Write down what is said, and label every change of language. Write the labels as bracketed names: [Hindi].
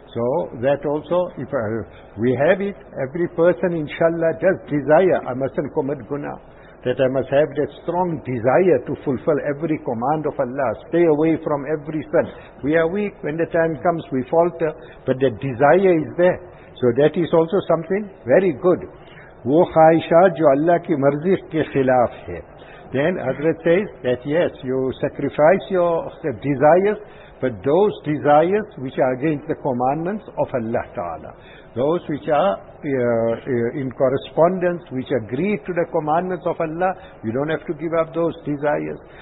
[English] So that also, if we have it, every person inshallah does desire, I mustn't commit guna. That I must have that strong desire to fulfill every command of Allah, stay away from every sin. We are weak, when the time comes we falter, but the desire is there. So that is also something very good. [Urdu] وہ خواہشات جو اللہ کی مرضی کے خلاف ہے. [English] Then Hazrat says that yes, you sacrifice your desires, but those desires which are against the commandments of Allah Ta'ala. Those which are in correspondence, which agree to the commandments of Allah, you don't have to give up those desires.